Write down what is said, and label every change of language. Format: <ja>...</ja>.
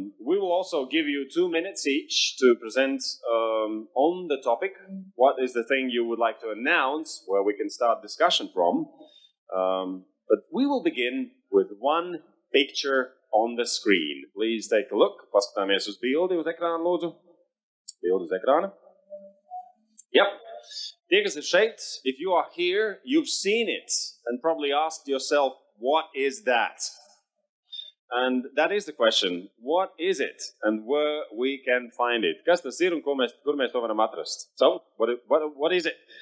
<en>We will also give you 2 minutes each to present on the topic, what is the thing you would like to announce, where we can start discussion from. But we will begin with one picture on the screen. Please take a look.</en> <lv>Paskatāmies uz bildi uz ekrāna, lūdzu. Bildi uz ekrāna. Yep. Tie, kas ir šeit,</lv> <en>if you are here, you've seen it and probably asked yourself, what is that? And that is the question. What is it and where we can find it?</en> <lv>Kas tas ir un kur mēs to varam atrast?</lv> <en>So, what is it?</en>